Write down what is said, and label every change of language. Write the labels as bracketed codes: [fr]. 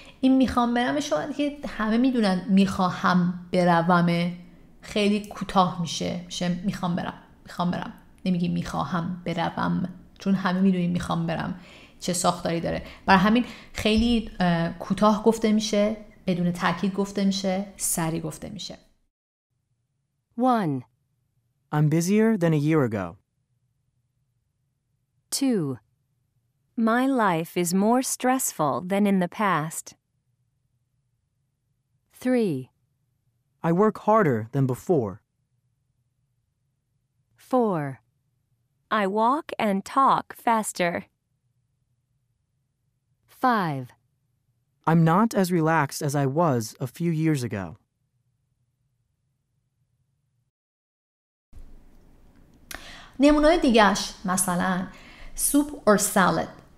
[fa] این میخوام برم شاید که همه میدونن میخواهم بروم، خیلی کوتاه میشه. میشه میخوام برم. میخوام برم، نمیگی میخواهم بروم، چون همه میدونی میخوام برم چه ساختاری داره. برای همین خیلی کوتاه گفته میشه، بدون تاکید گفته میشه، سریع گفته میشه. [en] 1. I'm busier than a year ago. 2. My life is more stressful than in the past. 3. I work harder than before. 4. I walk and talk faster. 5. I'm not as relaxed as I was a few years ago. [fa] نمونه‌های دیگه‌اش مثلا [en] soup or salad.